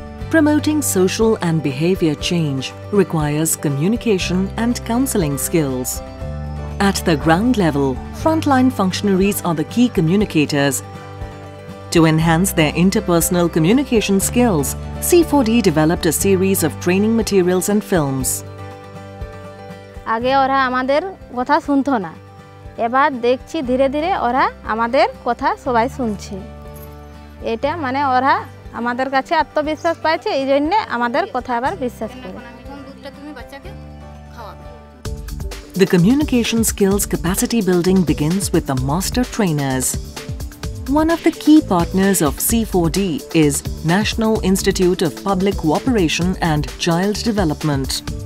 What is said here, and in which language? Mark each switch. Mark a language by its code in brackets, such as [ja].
[en] Promoting social and behavior change requires communication and counseling skills. At the ground level, frontline functionaries are the key communicators. To enhance their interpersonal communication skills, C4D developed a series of training materials and films. [bn] আগে ওরা আমাদের কথা শুনতো না এবার দেখছি ধীরে ধীরে ওরা আমাদের কথা সবাই শুনছে এটা মানে ওরা আমাদের কাছে আত্মবিশ্বাস পাচ্ছে এই জন্য আমাদের কথা আবার বিশ্বাস করে [en] The communication skills capacity building begins with the master trainers. One of the key partners of C4D is National Institute of Public Cooperation and Child Development.